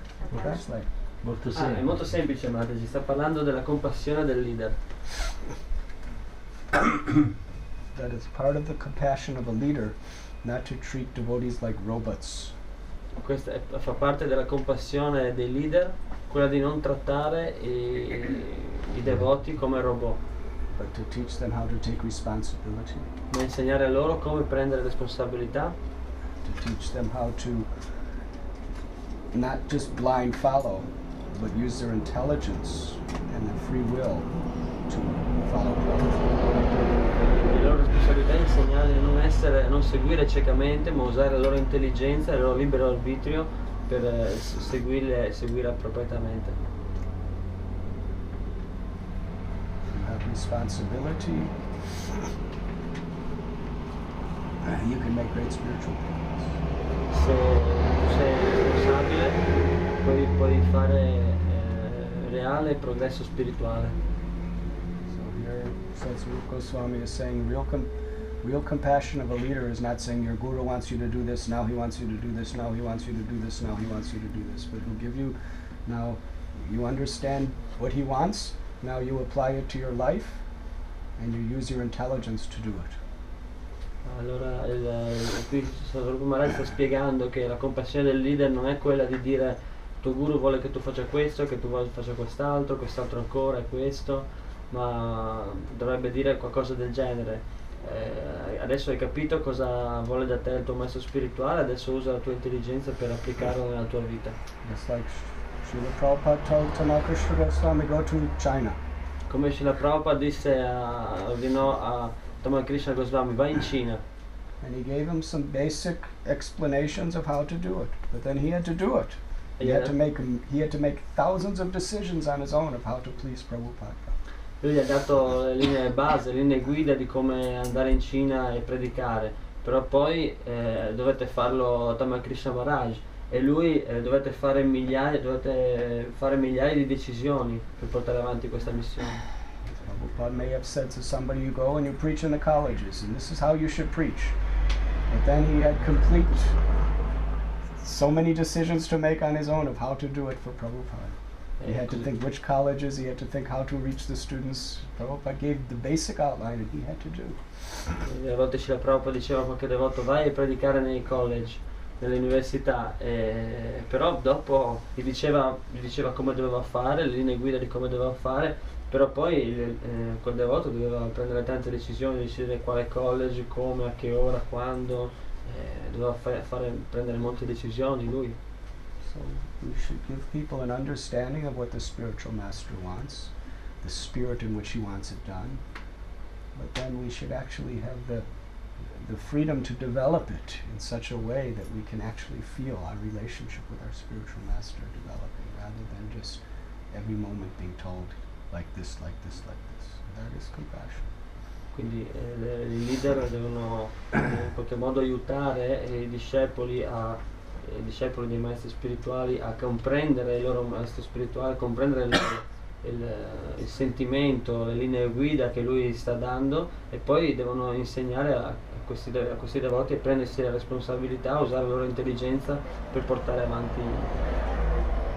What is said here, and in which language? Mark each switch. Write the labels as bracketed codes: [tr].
[en] What that's like? [it] Molto semplice. Ah, è molto semplice, Mataji. Sta parlando della compassione del leader. [en] That is part of the compassion of a leader, not to treat devotees like robots. [it] Questa fa parte della compassione dei leader, quella di non trattare i devoti come robot. [en] But to teach them how to take responsibility. [it] Ma insegnare loro come prendere responsabilità. [en] To teach them how to not just blind follow, but use their intelligence and their free will to follow prabhupada. [it] La loro responsabilità è insegnare a non essere, non seguire ciecamente, ma usare la loro intelligenza e il loro libero arbitrio per seguirle e seguire appropriatamente. [en] You have responsibility. You can make great spiritual progress. [it] Se tu sei responsabile, puoi fare reale progresso spirituale. [en] That's what Goswami is saying. Real compassion of a leader is not saying your guru wants you to do this, now he wants you to do this, now he wants you to do this, now he wants you to do this. But he'll give you, now you understand what he wants, now you apply it to your life, and you use your intelligence to do it. [it] Allora, qui Sadhguru Maharaj sta spiegando che la compassione del leader non è quella di dire tuo guru vuole che tu faccia questo, che tu faccia quest'altro, quest'altro ancora, questo. Ma dovrebbe dire qualcosa del genere. Adesso hai capito cosa vuole da te il tuo maestro spirituale, adesso usa la tua intelligenza per applicarlo nella tua vita. [en] Just like Srila Prabhupada told Tanakrishna Goswami, go to China. [it] Come Srila Prabhupada disse a Tanakrishna Goswami, vai in Cina. [en] And he gave him some basic explanations of how to do it, but then he had to do it. He had to make thousands of decisions on his own of how to please Prabhupada. [it] Lui gli ha dato le linee base, le linee guida di come andare in Cina e predicare, però poi dovete farlo Tamakrishna Maharaj e lui dovete fare migliaia di decisioni per portare avanti questa missione. [en] Prabhupada may have said to somebody, you go and you preach in the colleges and this is how you should preach, but then he had complete so many decisions to make on his own of how to do it for Prabhupada. He had to think which colleges, he had to think how to reach the students. Prabhupada gave the basic outline and he had to do. [it] A volte Srila Prabhupada diceva a qualche devoto, vai a predicare nei college, nelle università. Però dopo gli diceva come doveva fare, le linee guida di come doveva fare, però poi quel devoto doveva prendere tante decisioni, decidere quale college, come, a che ora, quando. Doveva prendere molte decisioni lui. [en] You should give people an understanding of what the spiritual master wants, the spirit in which he wants it done, but then we should actually have the freedom to develop it in such a way that we can actually feel our relationship with our spiritual master developing, rather than just every moment being told like this, like this, like this. That is compassion. [it] Quindi i leader devono in qualche modo aiutare i discepoli i discepoli dei maestri spirituali a comprendere il loro maestro spirituale, comprendere il sentimento, le linee guida che lui sta dando, e poi devono insegnare a questi devoti a prendersi la responsabilità, a usare la loro intelligenza per portare avanti.